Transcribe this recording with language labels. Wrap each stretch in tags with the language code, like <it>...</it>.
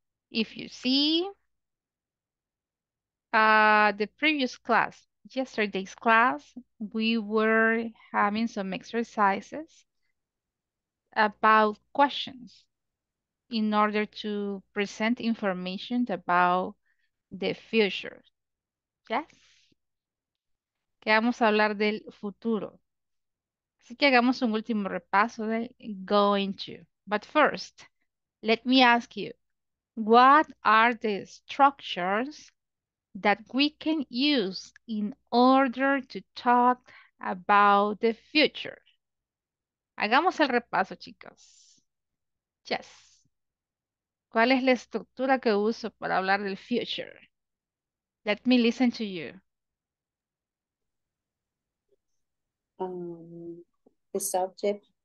<en>If you see the previous class, yesterday's class, we were having some exercises about questions in order to present information about the future.</en> <es>Yes? Que vamos a hablar del futuro. Así que hagamos un último repaso de going to.</es> <en>But first, let me ask you, what are the structures that we can use in order to talk about the future?</en> <es>Hagamos el repaso, chicos. Yes. ¿Cuál es la estructura que uso para hablar del future?</es> <en>Let me listen to you. The subject.</en>